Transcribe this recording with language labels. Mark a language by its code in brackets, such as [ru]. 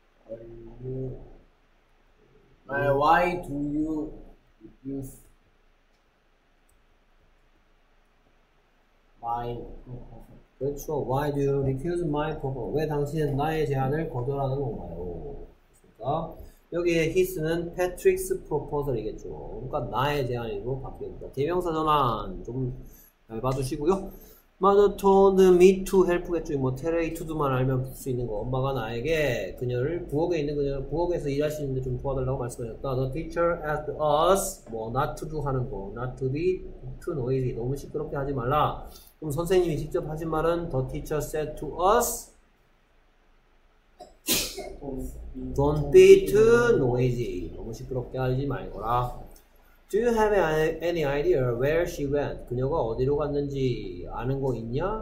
[en] are you why do you use my proposal? [ko] 그렇죠. [en] Why do you refuse my proposal? [ko] 왜 당신은 나의 제안을 거절하는 건가요? 그렇습니까? 여기에 his는 Patrick's proposal이겠죠. 그러니까 나의 제안으로 바뀝니다. 대명사 전환 좀잘 봐주시고요. [en] Mother told me to help [ko] 했죠. [en] 뭐 tell A to do [ko] 만 알면 볼수 있는 거. 엄마가 나에게 그녀를 부엌에 있는 그녀를 부엌에서 일하시는데 좀 도와달라고 말씀하셨다. [en] The teacher asked us 뭐 not to do 하는 거, not to be too noisy [ko] 너무 시끄럽게 하지 말라. [en] 그럼 선생님이 직접 하신 말은 The teacher said to us don't be too noisy [ko] 너무 시끄럽게 하지 말거라. [en] Do you have any idea where she went? [ko] 그녀가 어디로 갔는지 아는 거 있냐?